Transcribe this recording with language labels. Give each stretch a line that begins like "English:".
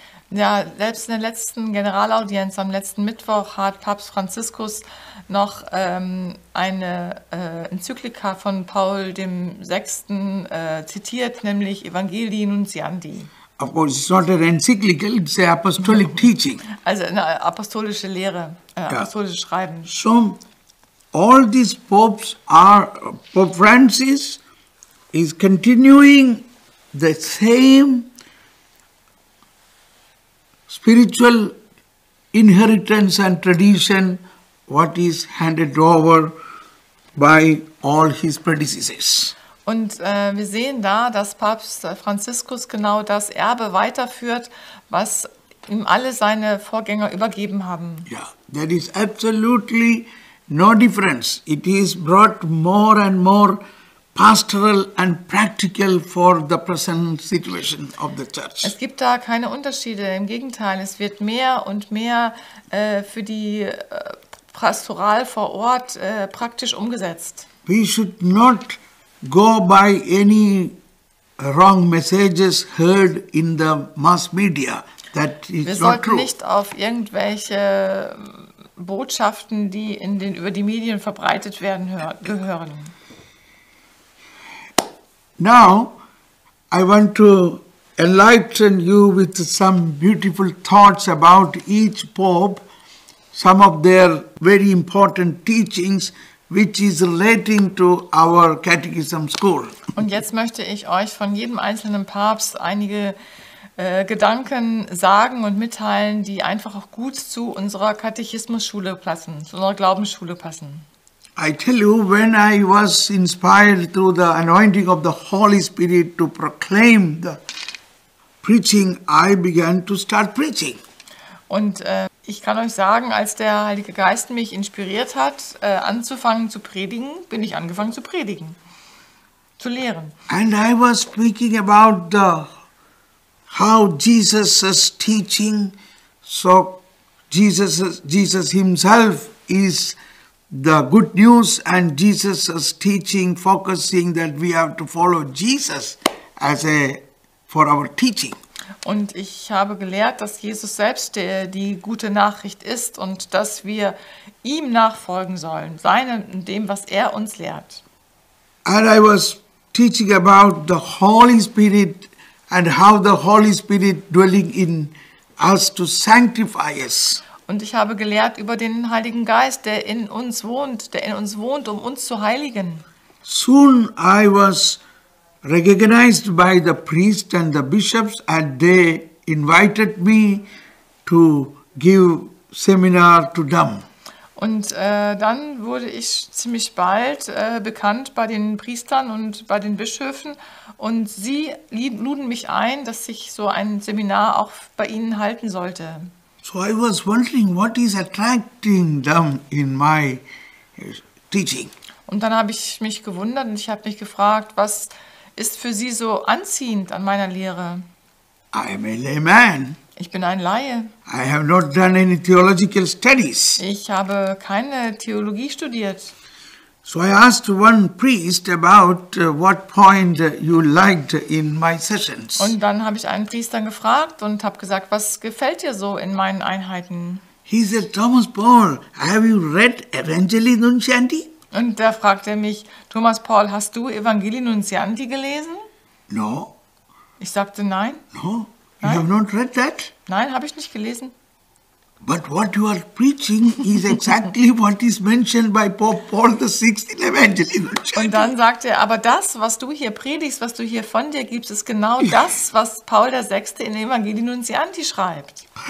German: Ja, selbst in der letzten Generalaudienz am letzten Mittwoch hat Papst Franziskus noch eine Enzyklika von Paul dem VI. Zitiert, nämlich Evangelii Nuntiandi.
English: Of course, it's not an encyclical, it's an apostolic teaching.
German: Also eine apostolische Lehre, apostolisches Schreiben.
English: So, all these popes are, Pope Francis is continuing the same spiritual inheritance and tradition what is handed over by all his predecessors.
German: Und wir sehen da, dass Papst Franziskus genau das Erbe weiterführt, was ihm alle seine Vorgänger übergeben haben.
English: Ja, that is absolutely no difference. It is brought more and more pastoral and practical for the present situation of the church.
German: Es gibt da keine Unterschiede. Im Gegenteil, es wird mehr und mehr für die pastoral vor Ort praktisch umgesetzt.
English: We should not go by any wrong messages heard in the mass media. That is not true.
German: Wir sollten nicht auf irgendwelche Botschaften, die in den über die Medien verbreitet werden, gehören.
English: Now, I want to enlighten you with some beautiful thoughts about each Pope, some of their very important teachings, which is relating to our catechism school.
German: Und jetzt möchte ich euch von jedem einzelnen Papst einige Gedanken sagen und mitteilen, die einfach auch gut zu unserer Katechismusschule passen, zu unserer Glaubensschule passen.
English: I tell you, when I was inspired through the anointing of the Holy Spirit to proclaim the preaching, I began to start preaching.
German: Und ich kann euch sagen, als der Heilige Geist mich inspiriert hat, anzufangen zu predigen, bin ich angefangen zu predigen, zu lehren.
English: And I was speaking about the how Jesus' teaching, so Jesus himself is the good news, and Jesus' teaching focusing that we have to follow Jesus as a for our teaching.
German: Und ich habe gelehrt, dass Jesus selbst die gute Nachricht ist und dass wir ihm nachfolgen sollen, seinem, dem, was er uns lehrt.
English: And I was teaching about the Holy Spirit and how the Holy Spirit dwelling in us to sanctify us.
German: Und ich habe gelehrt über den Heiligen Geist, der in uns wohnt, um uns zu heiligen.
English: Soon I was recognized by the priest and the bishops, and they invited me to give seminar to them.
German: Und dann wurde ich ziemlich bald bekannt bei den Priestern und bei den Bischöfen, und sie luden mich ein, dass ich so ein Seminar auch bei ihnen halten sollte.
English: So I was wondering, what is attracting them in my teaching.
German: Und dann habe ich mich gewundert und ich habe mich gefragt, was ist für sie so anziehend an meiner Lehre?
English: I am a layman.
German: Ich bin ein Laie.
English: I have not done any theological studies.
German: Ich habe keine Theologie studiert.
English: So I asked one priest about what point you liked in my sessions.
German: Und dann habe ich einen Priester gefragt und habe gesagt, was gefällt dir so in meinen Einheiten?
English: He said, Thomas Paul, have you read Evangelii Nuncianti?
German: Und da fragt er mich, Thomas Paul, hast du Evangelii Nuncianti gelesen?
English: No.
German: Ich sagte nein.
English: No. Nein? You have not read that?
German: Nein, habe ich nicht gelesen.
English: But what you are preaching is exactly what is mentioned by Pope Paul VI in Evangelii Nuncianti.
German: Und dann sagt er, aber das, was du hier predigst, was du hier von dir gibst, ist genau das, was Paul der VI in Evangelii Nuncianti schreibt.